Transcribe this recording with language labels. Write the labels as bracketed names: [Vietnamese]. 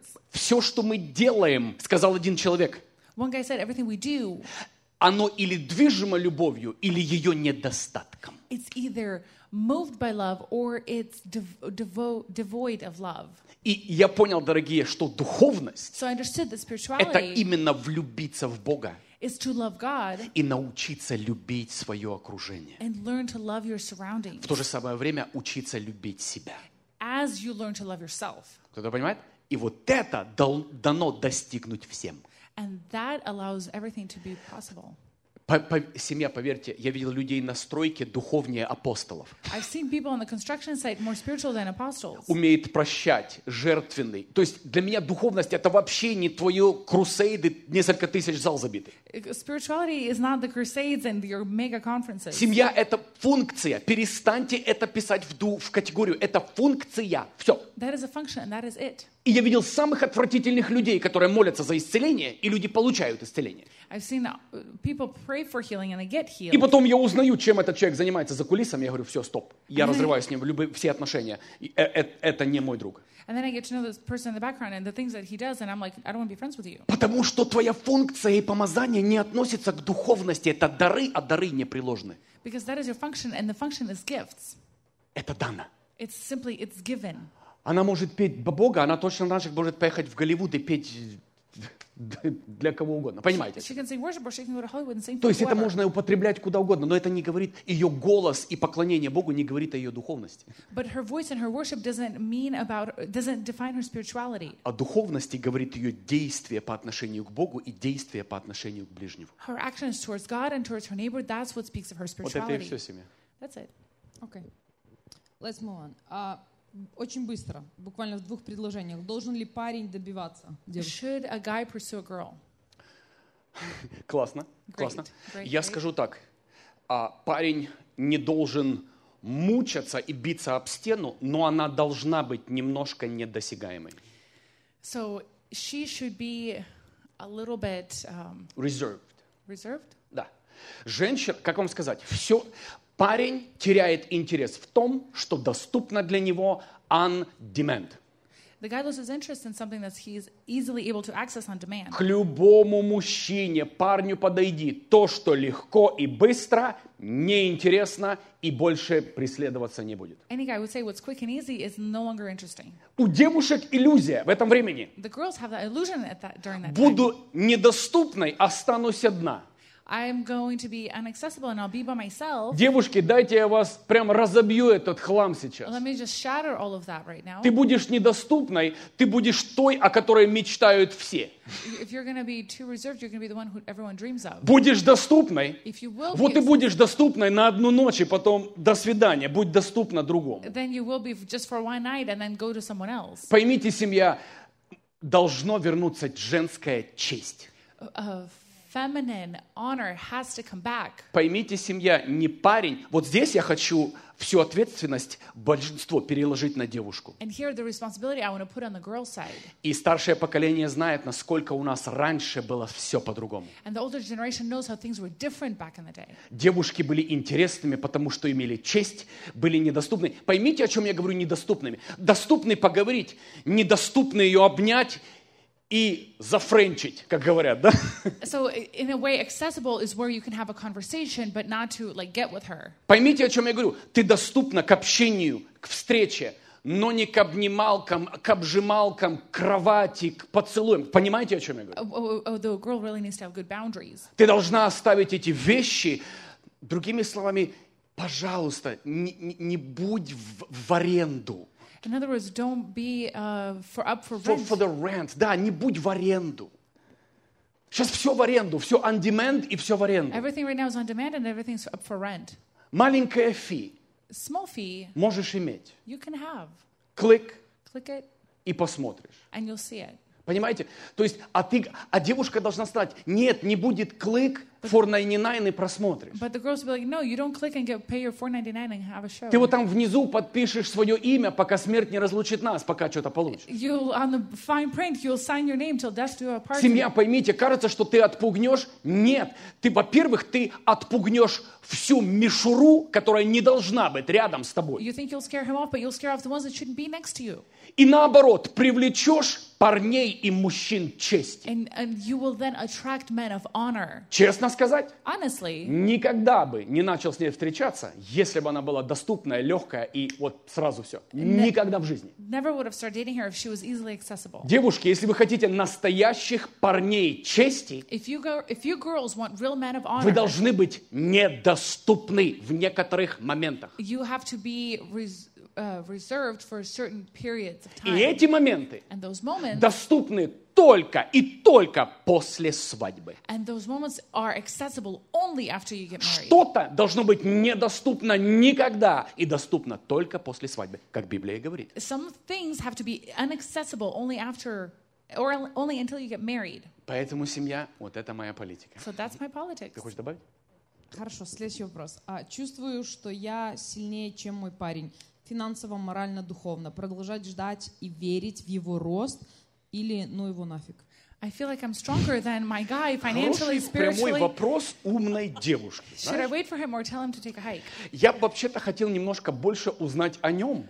[Russian] Все, что мы делаем, сказал один человек, [English] said, [Russian] оно или движимо любовью, или ее недостатком. [English] It's either moved by love or it's devoid of love. [Russian] И я понял, дорогие, что духовность, [English] so I understood that spirituality, [Russian] это именно влюбиться в Бога, [English] is to love God, [Russian] и научиться любить свое окружение, [English] and learn to love your surroundings, [Russian] в то же самое время учиться любить себя, [English] as you learn to love yourself. [Russian] Кто-то понимает? И вот это дано достигнуть всем. [English] And that allows everything to be possible. [Russian] Семья, поверьте, я видел людей на стройке духовнее апостолов. [English] I've seen people on the construction site more spiritual than apostles. [Russian] Умеет прощать, жертвенный. То есть для меня духовность — это вообще не твои крусейды, несколько тысяч зал забитых. [English] Spirituality is not the crusades and your mega conferences. [Russian] Семья — это функция. Перестаньте это писать в категорию. Это функция. Все. [English] That is a function and that is it. [Russian] И я видел самых отвратительных людей, которые молятся за исцеление, и люди получают исцеление. [English] I've seen people pray for healing and they get healed. [Russian] И потом я узнаю, чем этот человек занимается за кулисами, я говорю, все, стоп. Я разрываю с ним все отношения. Это не мой друг. [English] And then I get to know this person in the background and the things that he does, and I'm like, I don't want to be friends with you. [Russian] Потому что твоя функция и помазание не относятся к духовности. Это дары, а дары неприложны. [English] Because that is your function, and the function is gifts. [Russian] Это дано. [English] It's simply, it's given. [Russian] Она может петь Бога, она точно так же может поехать в Голливуд и петь для кого угодно. Понимаете? [English] She can sing worship, or she can go to Hollywood and sing. [Russian] То есть это можно употреблять куда угодно, но это не говорит, ее голос и поклонение Богу не говорит о ее духовности. [English] But her voice and her worship doesn't define her spirituality. [Russian] О духовности говорит ее действие по отношению к Богу и действие по отношению к ближнему. [English] Her actions towards God and towards her neighbor, that's what speaks of her spirituality. [Russian] Вот это и все, семья. [English] That's it. Okay. Let's move on. [Russian] Очень быстро, буквально в двух предложениях. Должен ли парень добиваться девушки? [English] Should a guy pursue a girl? [Russian] Классно, [English] great, [Russian] классно. [English] Great, great. [Russian] Я скажу так. Парень не должен мучаться и биться об стену, но она должна быть немножко недосягаемой. [English] So, she should be a little bit... Reserved. Reserved? [Russian] Да. Женщина, как вам сказать, все... Парень теряет интерес в том, что доступно для него [English] on demand. The guy loses interest in something that he's easily able to access on demand. [Russian] К любому мужчине, парню подойди, то, что легко и быстро, неинтересно и больше преследоваться не будет. [English] Any guy would say what's quick and easy is no longer interesting. [Russian] У девушек иллюзия в этом времени. [English] The girls have that illusion at that, during that time. [Russian] Буду недоступной, останусь одна. [English] I'm going to be inaccessible and I'll be by myself. [Russian] Девушки, дайте я вас прям разобью этот хлам сейчас. [English] Let me just shatter all of that right now. [Russian] Ты будешь недоступной, ты будешь той, о которой мечтают все. [English] If you're going to be too reserved, you're going to be the one who everyone dreams of. [Russian] Будешь доступной. [English] If you will [Russian] вот ты будешь доступной на одну ночь, и потом до свидания, будь доступна другому. [English] Then you will be just for one night and then go to someone else. [Russian] Поймите, семья, должно вернуться женская честь. [English] feminine honor has to come back. [Russian] Поймите, семья не парень. Вот здесь я хочу всю ответственность большинство переложить на девушку. [English] And here the responsibility I want to put on the girl side. [Russian] И старшее поколение знает, насколько у нас раньше было все по-другому. [English] And the older generation knows how things were different back in the day. [Russian] Девушки были интересными, потому что имели честь, были недоступны. Поймите, о чем я говорю, недоступными. Доступны поговорить, недоступны ее обнять. И зафренчить, как говорят, да? [English] So in a way, accessible is where you can have a conversation, but not to like get with her. [Russian] Поймите, о чем я говорю. Ты доступна к общению, к встрече, но не к обнималкам, к обжималкам, к кровати, к поцелуям. Понимаете, о чем я говорю? [English] The girl really needs to have good boundaries. [Russian] Ты должна оставить эти вещи. Другими словами, пожалуйста, не будь в аренду. [English] In other words, don't be for up for rent. For the rent. [Russian] Да, не будь в аренду. Сейчас все в аренду. Все [English] on demand [Russian] и все в аренду. [English] Everything right now is on demand and everything's up for rent. [Russian] Маленькая фи. [English] Small fee. [Russian] Можешь иметь. [English] You can have. Click. Click it. [Russian] И посмотришь. [English] And you'll see it. [Russian] Понимаете? То есть, а девушка должна стать, нет, не будет клик, [English] for 99 [Russian] и просмотришь. [English] But the girls will be like, no, you don't click and get, pay your 499 and have a show. [Russian] Ты вот там внизу подпишешь свое имя, пока смерть не разлучит нас, пока что-то получишь. [English] You'll, on the fine print, you'll sign your name till death do you apart. [Russian] Семья, поймите, кажется, что ты отпугнешь. Нет. Ты, во-первых, ты отпугнешь всю мишуру, которая не должна быть рядом с тобой. [English] You think you'll scare him off, but you'll scare off the ones that shouldn't be next to you. [Russian] И наоборот, привлечешь парней и мужчин чести. [English] And you will then attract men of honor. [Russian] Честно сказать, [English] honestly, [Russian] никогда бы не начал с ней встречаться, если бы она была доступная, легкая и вот сразу все. Никогда в жизни. [English] Never would have started dating her if she was easily accessible. [Russian] Девушки, если вы хотите настоящих парней чести, [English] if you girls want real men of honor, [Russian] вы должны быть недоступны в некоторых моментах. [English] You have to be reserved for certain periods of time. [Russian] И эти моменты [English] and those moments, [Russian] доступны только и только после свадьбы. [English] And those moments are accessible only after you get married. [Russian] Что-то должно быть недоступно никогда и доступно только после свадьбы, как Библия говорит. [English] Some things have to be inaccessible only after or only until you get married. [Russian] Поэтому семья, вот это моя политика. [English] So that's my politics. [Russian] Ты хочешь добавить? Хорошо, следующий вопрос. Чувствую, что я сильнее, чем мой парень. Финансово, морально, духовно. Продолжать ждать и верить в его рост или ну его нафиг? [English] I feel like I'm stronger than my guy financially, spiritually. [Russian] Хороший прямой вопрос умной девушки. [English] Should [Russian] знаешь? [English] I wait for him or tell him to take a hike? [Russian] Я вообще-то хотел немножко больше узнать о нем.